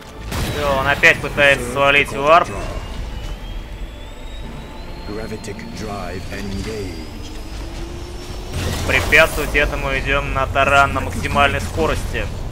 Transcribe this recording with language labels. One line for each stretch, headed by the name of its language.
Russian: Все, он опять пытается свалить варп.
English: Gravitic drive engaged.
Russian: Препятствовать этому идем на таран на максимальной скорости.